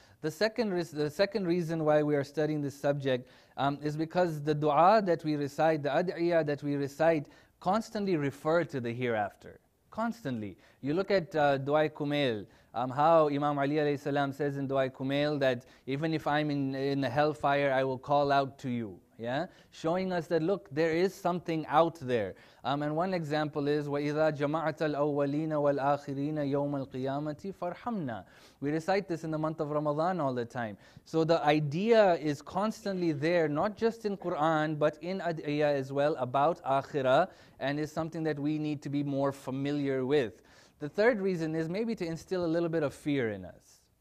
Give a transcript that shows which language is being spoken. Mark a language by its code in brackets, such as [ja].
[en] The second reason why we are studying this subject is because the dua that we recite, the ad'iya that we recite, constantly refer to the hereafter. Constantly. You look at Dua Kumail, how Imam Ali alayhi salam says in Dua Kumail that even if I'm in the hellfire, I will call out to you. Yeah, showing us that look, there is something out there. And one example is [ar] وَإِذَا جَمَعَتَ الْأَوَّلِينَ وَالْآخِرِينَ يَوْمَ الْقِيَامَةِ فَارْحَمْنَا. [en] We recite this in the month of Ramadan all the time. So the idea is constantly there, not just in Quran, but in Ad'iya as well about Akhirah, and is something that we need to be more familiar with. The third reason is maybe to instill a little bit of fear in us.